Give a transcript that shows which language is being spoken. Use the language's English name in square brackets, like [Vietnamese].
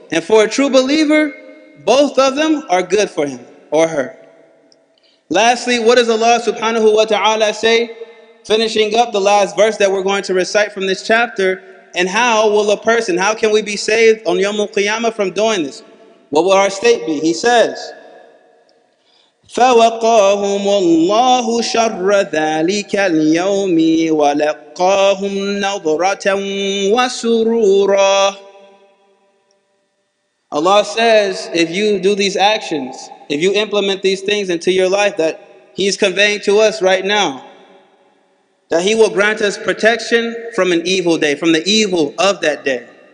[English] And for a true believer, both of them are good for him or her. Lastly, what does Allah subhanahu wa ta'ala say? Finishing up the last verse that we're going to recite from this chapter. And how can we be saved on Yawmul Qiyamah from doing this? What will our state be? He says, [Arabic] فَوَقَاهُمُ اللَّهُ شَرَّ ذَلِكَ الْيَوْمِ وَلَقَّاهُمْ نَظْرَةً وَسُرُورًا. [English] Allah says, if you do these actions, if you implement these things into your life that He's conveying to us right now, that He will grant us protection from an evil day, from the evil of that day.